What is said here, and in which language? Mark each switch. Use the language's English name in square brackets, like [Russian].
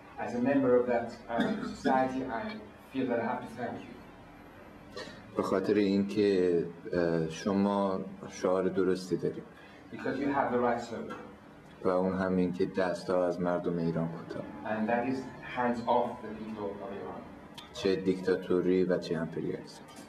[English] as a member of that society, I feel that I have to thank you. [Persian] به خاطر اینکه شما شعار درستی دارید. [English] Because you have the right slogan. [Persian] و اون هم اینکه دست ها از مردم ایران کوتاه. [English] And that is hands off the people of Iran. [Persian] چه دیکتاتوری و چه امپریالیسم.